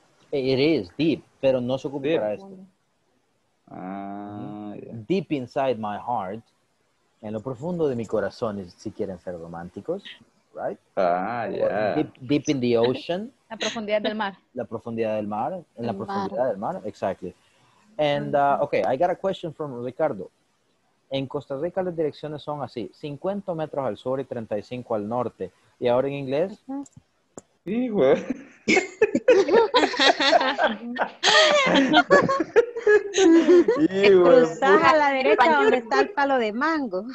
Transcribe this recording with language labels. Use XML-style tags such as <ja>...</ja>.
<en>It is deep,</en> <es>pero no se ocupa para esto.</es> <en>Yeah. Deep inside my heart,</en> <es>en lo profundo de mi corazón, si quieren ser románticos, right?</es> <en>Deep in the ocean.</en> <es>La profundidad del mar. La profundidad del mar, en la profundidad del mar, exactly.</es> <en>And okay, I got a question from Ricardo.</en> <es>En Costa Rica las direcciones son así: 50 metros al sur y 35 al norte. Y ahora en inglés. Uh-huh. Sí, güey. Sí, cruzas a la derecha donde está el palo de mango.</es>